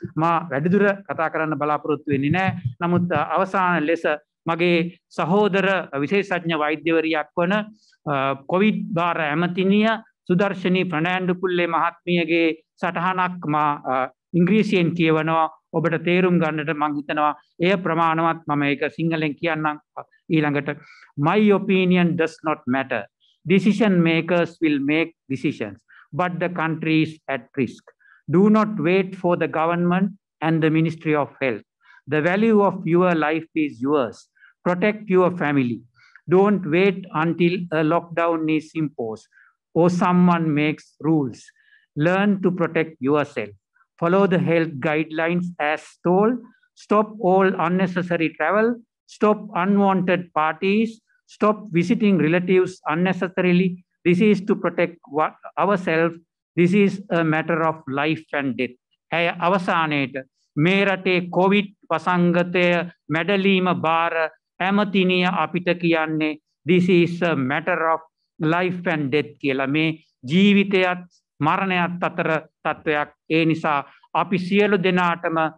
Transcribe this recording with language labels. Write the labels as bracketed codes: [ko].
[si] මා වැඩිදුර කතා කරන්න බලාපොරොත්තු වෙන්නේ නැහැ. නමුත් අවසාන ලෙස මගේ සහෝදර විශේෂඥ වෛද්‍යවරියක් වන කොවිඩ් භාර ඇමතිනිය සුදර්ශනි ප්‍රනාන්දුපුල්ලේ මහත්මියගේ සටහනක් මා ඉංග්‍රීසියෙන් කියවනවා ඔබට තේරුම් ගන්නට මම හිතනවා එය ප්‍රමාණවත් මම ඒක සිංහලෙන් කියන්නම් ඊළඟට [en] My opinion does not matter. Decision makers will make decisions, but the country is at risk. Do not wait for the government and the Ministry of Health. The value of your life is yours. Protect your family. Don't wait until a lockdown is imposed or someone makes rules. Learn to protect yourself. Follow the health guidelines as told. Stop all unnecessary travel. Stop unwanted parties. Stop visiting relatives unnecessarily. This is to protect ourselves. This is a matter of life and death. [si] Hey, avasanayata. මේ රටේ Covid වසංගතය මැඩලීම බාර ඇමතිනිය අපිට කියන්නේ [en] this is a matter of life and death [si] කියලා මේ ජීවිතයත් මරණයත් අතර තත්වයක් ඒ නිසා අපි සියලු දෙනාටම